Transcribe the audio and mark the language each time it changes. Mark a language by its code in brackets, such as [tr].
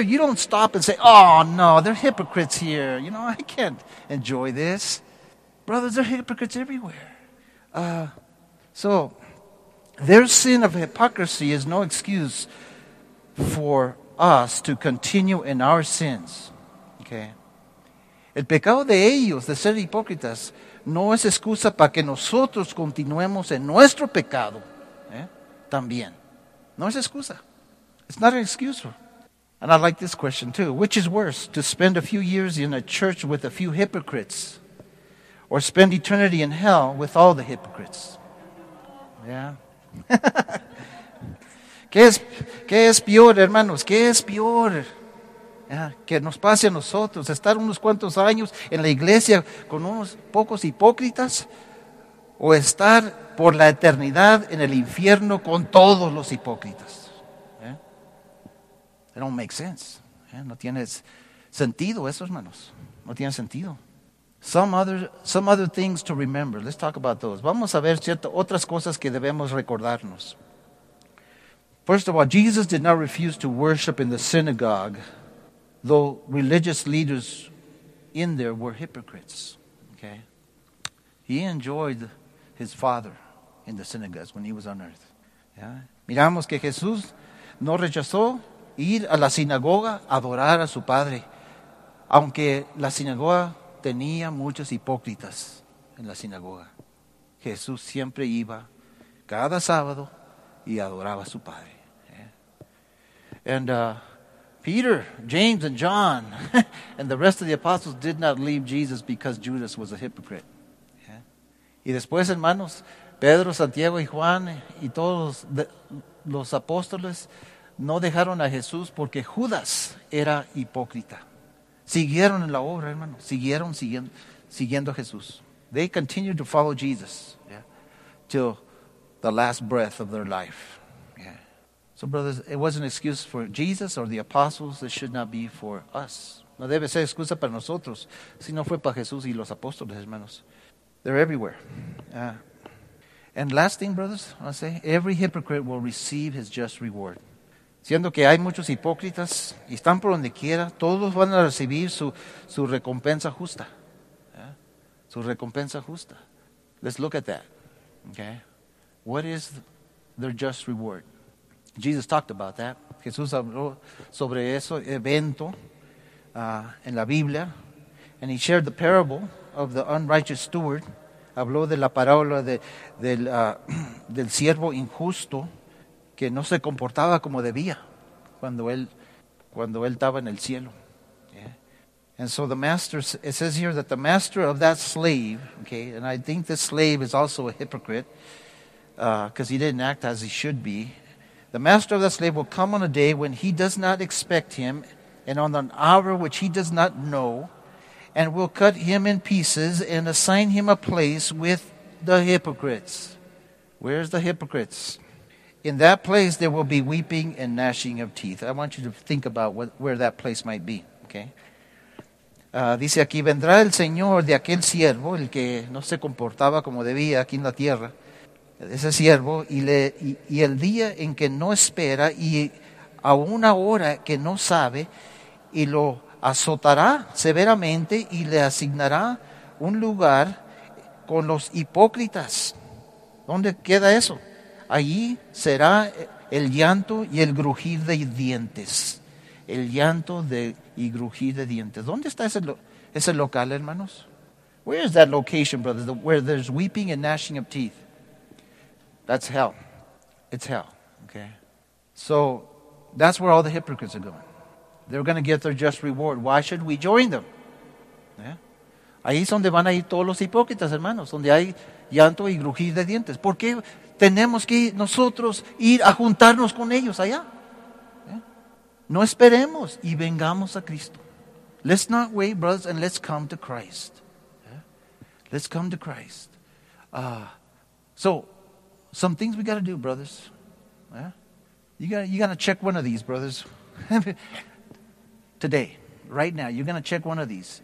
[en] You don't stop and say, oh, no, they're hypocrites here. You know, I can't enjoy this. Brothers, there are hypocrites everywhere. So their sin of hypocrisy is no excuse for us to continue in our sins. Okay? [es] El pecado de ellos, de ser hipócritas, no es excusa para que nosotros continuemos en nuestro pecado. También. No es excusa. [en] It's not an excuse. And I like this question too. Which is worse, to spend a few years in a church with a few hypocrites or spend eternity in hell with all the hypocrites? Yeah. [es] ¿Qué es peor, hermanos? ¿Qué es peor? [en] Yeah. [es] Que nos pase a nosotros estar unos cuantos años en la iglesia con unos pocos hipócritas o estar por la eternidad en el infierno con todos los hipócritas. [en] Yeah. It don't make sense. Yeah. [es] No tiene sentido eso, hermanos. No tiene sentido. [en] Some other things to remember. Let's talk about those. [es] Vamos a ver ciertas otras cosas que debemos recordarnos. [en] First of all, Jesus did not refuse to worship in the synagogue, though religious leaders in there were hypocrites. Okay? He enjoyed his Father in the synagogues when he was on earth. Yeah? [es] Miramos que Jesús no rechazó ir a la sinagoga a adorar a su Padre, aunque la sinagoga tenía muchos hipócritas en la sinagoga. Jesús siempre iba cada sábado y adoraba a su Padre. [en] And Peter, James, and John, and the rest of the apostles did not leave Jesus because Judas was a hypocrite. Yeah. [es] Y después, hermanos, Pedro, Santiago, y Juan, y todos los apóstoles no dejaron a Jesús porque Judas era hipócrita. Siguieron en la obra, hermanos. Siguieron siguiendo a Jesús. [en] They continued to follow Jesus, yeah, till the last breath of their life. So, brothers, it was an excuse for Jesus or the apostles. It should not be for us. [es] No debe ser excusa para nosotros, si no fue para Jesús y los apóstoles, hermanos. [en] They're everywhere. And last thing, brothers, I say, every hypocrite will receive his just reward. [es] Siendo que hay muchos hipócritas y están por donde quiera, todos van a recibir su recompensa justa. [en] Yeah? [es] Su recompensa justa. [en] Let's look at that. Okay? What is their just reward? Jesus talked about that. [es] Jesús habló sobre ese evento en la Biblia. [en] And he shared the parable of the unrighteous steward. [es] Habló de la parábola del siervo injusto que no se comportaba como debía cuando él estaba en el cielo. [en] Yeah. And so the master, it says here that the master of that slave, okay, and I think this slave is also a hypocrite because he didn't act as he should be. The master of the slave will come on a day when he does not expect him and on an hour which he does not know and will cut him in pieces and assign him a place with the hypocrites. Where's the hypocrites? In that place there will be weeping and gnashing of teeth. I want you to think about where that place might be. Okay. [es] Dice aquí, vendrá el señor de aquel siervo, el que no se comportaba como debía aquí en la tierra. Ese siervo, y el día en que no espera, y a una hora que no sabe, y lo azotará severamente, y le asignará un lugar con los hipócritas. ¿Dónde queda eso? Allí será el llanto y el crujir de dientes. El llanto y crujir de dientes. ¿Dónde está ese local, hermanos? [en] Where is that location, brothers, where there's weeping and gnashing of teeth? That's hell. It's hell. Okay. So that's where all the hypocrites are going. They're going to get their just reward. Why should we join them? Yeah. [es] Ahí es donde van a ir todos los hipócritas, hermanos. Donde hay llanto y crujir de dientes. ¿Por qué tenemos que nosotros ir a juntarnos con ellos allá? [en] Yeah. [es] No esperemos y vengamos a Cristo. [en] Let's not wait, brothers, and let's come to Christ. Yeah. Let's come to Christ. Some things we got to do, brothers. Yeah? You got to check one of these, brothers. Today, right now, you're going to check one of these.